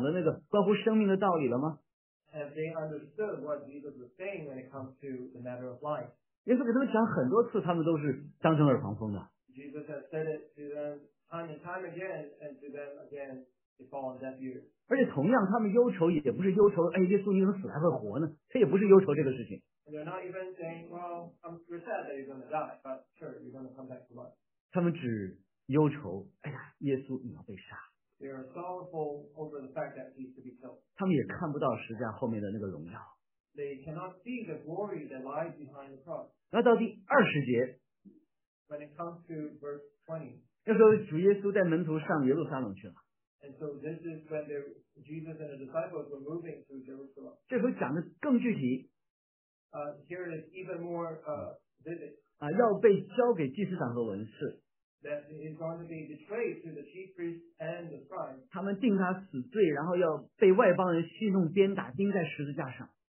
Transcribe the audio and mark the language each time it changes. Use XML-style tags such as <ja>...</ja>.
<zh>他们听明白耶稣在前面那一章所讲的那个关乎生命的道理了吗?</zh> <en>Have they understood what Jesus was saying when it comes to the matter of life?</en> <zh>耶稣给他们讲很多次, 他们都是当成耳旁风的。</zh> <en>Jesus has said it to them time and time again, and to them again, they fall on deaf ears.</en> <zh>而且同样, 他们忧愁也不是忧愁, 哎, 耶稣你怎么死还会活呢? 他也不是忧愁这个事情。</zh> <en>And they're not even saying, well, I'm sad that you're going to die, but sure, you're going to come back to life.</en> <zh>他们只忧愁, 哎呀, 耶稣你要被杀。</zh> <en>They are sorrowful over the fact that he is to be killed.</en> <zh>他们也看不到十字架后面的那个荣耀。</zh> <en>They cannot see the glory that lies behind the cross.</en> <zh>那到第20节,</zh> <en>when it comes to verse 20,</en> <zh>那时候主耶稣带门徒上耶路撒冷去了。</zh> <en>And so this is when Jesus and the disciples were moving to Jerusalem.</en> <zh>这回讲的更具体。</zh> <en>Here it is even more vivid.</en> <zh>啊，要被交给祭司长和文士。</zh> <en>That is going to be betrayed to the chief priests and the scribes.</en> <zh>他们定他死罪，然后要被外邦人戏弄、鞭打、钉在十字架上。</zh>